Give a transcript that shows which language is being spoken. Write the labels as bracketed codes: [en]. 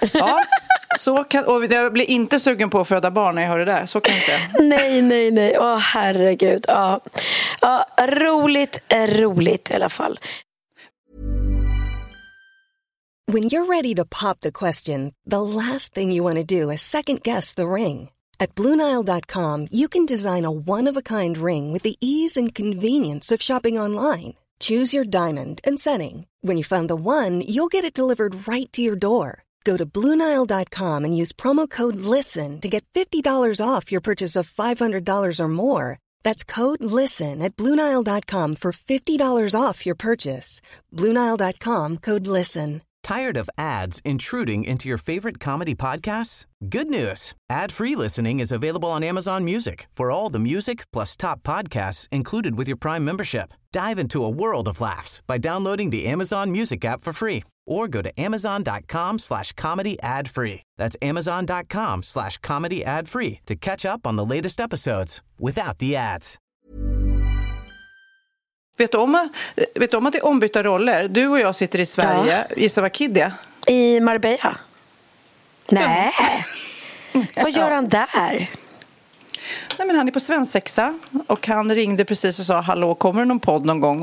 [sv] Ja, så kan, och jag blir inte sugen på att föda barn när jag hör det där. Så kan jag säga. Nej. Åh, herregud. Ja. Ja, roligt är roligt i alla fall. [en] When you're ready to pop the question, the last thing you want to do is second guess the ring. At BlueNile.com, you can design a one-of-a-kind ring with the ease and convenience of shopping online. Choose your diamond and setting. When you find the one, you'll get it delivered right to your door. Go to BlueNile.com and use promo code LISTEN to get $50 off your purchase of $500 or more. That's code LISTEN at BlueNile.com for $50 off your purchase. BlueNile.com, code LISTEN. Tired of ads intruding into your favorite comedy podcasts? Good news. Ad-free listening is available on Amazon Music for all the music plus top podcasts included with your Prime membership. Dive into a world of laughs by downloading the Amazon Music app for free, or go to amazon.com/comedyadfree. That's amazon.com/comedyadfree to catch up on the latest episodes without the ads. [sv] Vet du om att det är ombytta roller? Du och jag sitter i Sverige. Ja. Gissa vad Kid är? I Marbella. Nej. Vad gör han där? Nej, men han är på svensexa. Och han ringde precis och sa, hallå, kommer det någon podd någon gång?